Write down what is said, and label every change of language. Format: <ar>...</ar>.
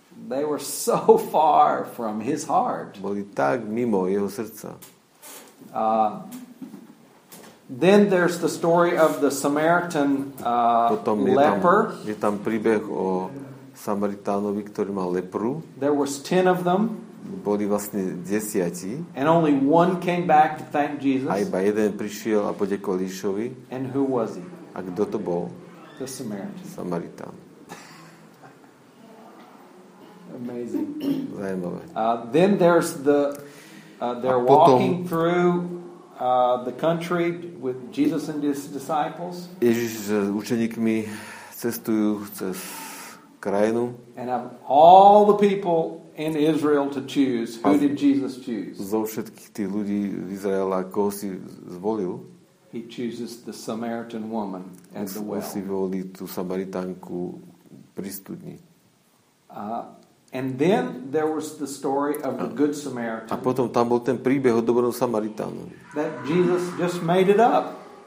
<en>They were so far from his heart.</en> <sk>Boli tak mimo jeho srdca.</sk> <en>Then there's the story of the Samaritan leper.</en> <sk>Je tam príbeh o Samaritánovi, ktorý mal lepru.</sk> <en>There was 10 of them.</en> <sk>Boli vlastne 10.</sk> <en>And only one came back to thank Jesus.</en> <sk>A iba jeden prišiel a podiekol Ježišovi.</sk> <en>And who was he?</en> <sk>A kto to bol?</sk> <en>The Samaritan.</en> <sk>Samaritán.</sk> <en>Amazing.</en> <sk>Zajímavé.</sk> <en>Then there's the they're</en> <sk>potom</sk> <en>walking through the country with Jesus and his disciples.</en> <sk>Ježiš s učeníkmi cestujú cez krajinu.</sk> <en>And of all the people in Israel to choose, who did Jesus choose?</en> <sk>Zo všetkých tých ľudí v Izraela, koho si zvolil?</sk> <en>He chooses the Samaritan woman at the well.</en> <sk>Si volí tú Samaritánku pri studni.</sk> <en>And then there was the story of the good Samaritan.</en> <sk>A potom tam bol ten príbeh o dobrom Samaritánovi.</sk> <en>That Jesus just made it up.</en>